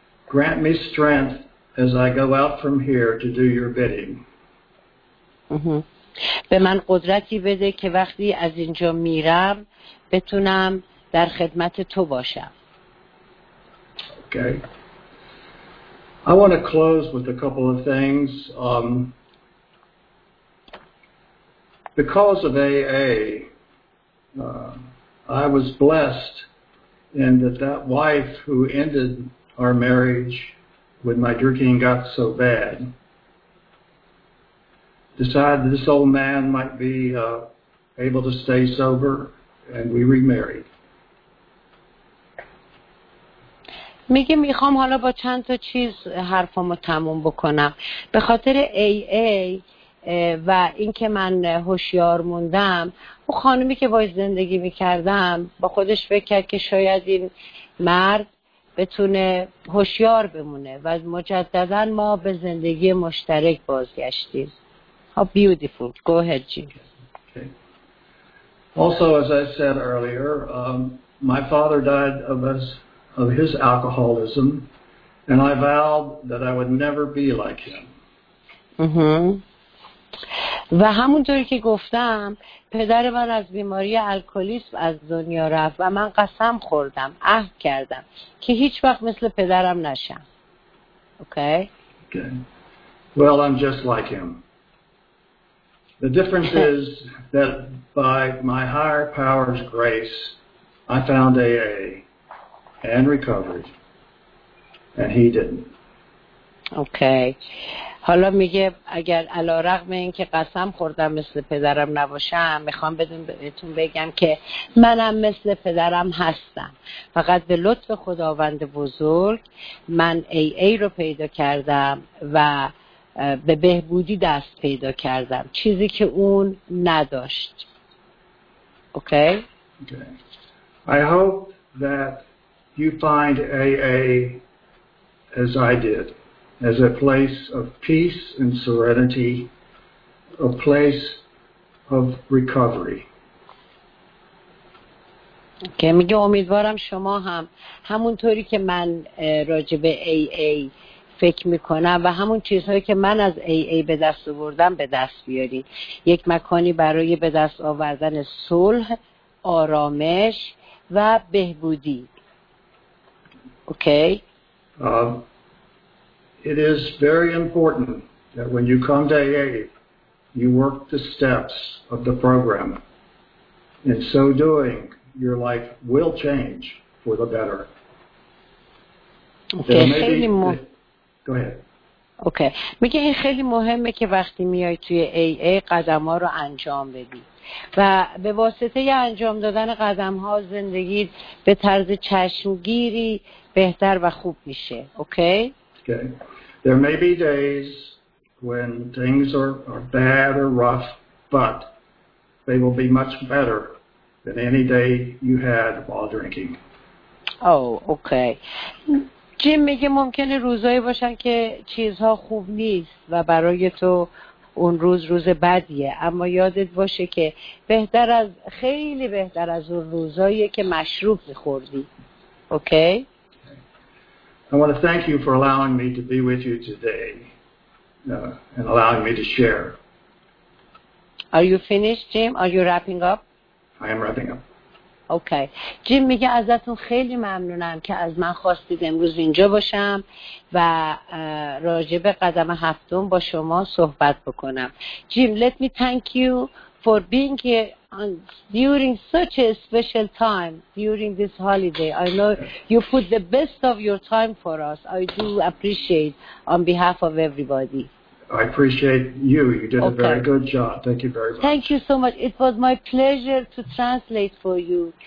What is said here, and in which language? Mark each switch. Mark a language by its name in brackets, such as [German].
[English] Grant me strength as I go out from here to do your bidding [Persian] به من قدرتی بده که وقتی از اینجا میرم بتونم در خدمت تو باشم [English] Okay I want to close with a couple of things. Because of AA, I was blessed in that wife who ended our marriage when my drinking got so bad decided this old man might be able to stay sober, and we remarried. [Persian] میگه میخوام حالا با چند تا چیز حرفامو تموم بکنم به خاطر AA و اینکه من هوشیار موندم اون خانمی که باهاش زندگی میکردم با خودش فکر کرد که شاید این مرد بتونه هوشیار بمونه و مجدداً ما به زندگی مشترک بازگشتیم [English] How beautiful. Go ahead, Jim. Okay. Also, as I said earlier, my father died of his alcoholism, and I vowed that I would never be like him. [Persian] و همونطوری که گفتم پدر من از بیماری الکلیسم از دنیا رفت و من قسم خوردم عهد کردم که هیچ وقت مثل پدرم نشم. [English] Okay? Okay. Well, I'm just like him. The difference is that by my higher power's grace, I found AA. And recovered, and he didn't. Okay. [Persian] حالا میگه اگر علارغم این که قسم خوردم مثل پدرم نباشم میخوام بهتون بگم که منم مثل پدرم هستم فقط به لطف خداوند بزرگ من AA رو پیدا کردم و به بهبودی دست پیدا کردم چیزی که اون نداشت. [English] Okay. Okay. I hope that you find AA as I did, as a place of peace and serenity, a place of recovery. [Persian] که میگه امیدوارم شما هم همونطوری که من راجع به AA فکر میکنم و همون چیزهایی که من از AA به دست آوردم به دست بیارید. یک مکانی برای به دست آوردن صلح، آرامش و بهبودی. [English] Okay. It is very important that when you come to AA, you work the steps of the program. In so doing, your life will change for the better. Okay. Go ahead. [Persian] اوکی میگه این خیلی مهمه که وقتی میای توی AA قدم ها رو انجام بدی و به واسطه ی انجام دادن قدم ها زندگی به طرز چشمگیری بهتر و خوب میشه اوکی [English] okay? There may be days when things are bad or rough but they will be much better than any day you had while drinking [Persian] اوکی جیم میگه ممکنه روزایی باشن که چیزها خوب نیست و برای تو اون روز روز بدیه اما یادت باشه که بهتر از خیلی بهتر از اون روزایی که مشروب می‌خوردی اوکی [English] I want to thank you for allowing me to be with you today and allowing me to share Are you finished Jim are you wrapping up I am wrapping up okay. [Persian] جیم میگه ازتون خیلی ممنونم که از من خواستید امروز اینجا باشم و راجع به قدم هفتم با شما صحبت بکنم. جیم [English] let me thank you for being here during such a special time, during this holiday. I know you put the best of your time for us. I do appreciate on behalf of everybody. I appreciate you. You did a very good job. Thank you very much. Thank you so much. It was my pleasure to translate for you.